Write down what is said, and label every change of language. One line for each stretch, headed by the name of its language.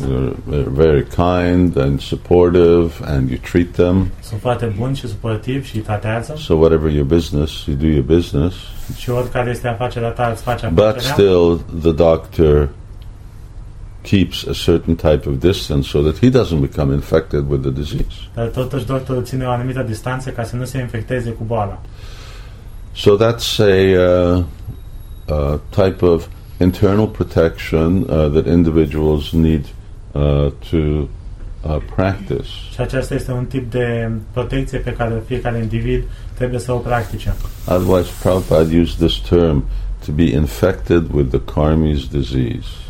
English: They're very kind and supportive and you treat them.
Romanian: Sunt foarte buni și suportivi și îi tratează.
English: So whatever your business, you do your business.
Romanian: Și oricare este afacerea ta, îți faci.
English: But still the doctor keeps a certain type of distance so that he doesn't become infected with the disease.
Romanian: Dar totuși doctorul ține o anumită distanță ca să nu se infecteze cu boala.
English: So that's a type of internal protection that individuals need to practice.
Romanian: Și acesta este un tip de protecție pe care fiecare individ trebuie să o practice.
English: Otherwise, Prabhupada used this term to be infected with the karmi's disease.